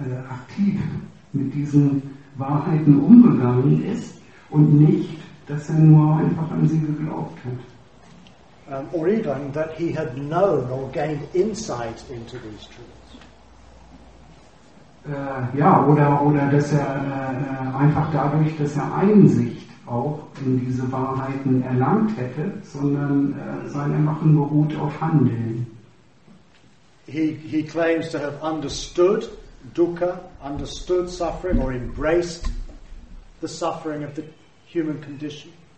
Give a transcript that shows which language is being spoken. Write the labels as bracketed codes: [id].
[de] aktiv mit diesen Wahrheiten umgegangen ist und nicht, dass er nur einfach an sie geglaubt hat. [en] Or even that he had known or gained insight into these truths. [de] Oder dass er einfach dadurch, dass er Einsicht auch in diese Wahrheiten erlangt hätte, sondern sein Erwachen beruht auf Handeln. [en] He claims to have understood dukkha, understood suffering, or embraced the suffering of the human condition.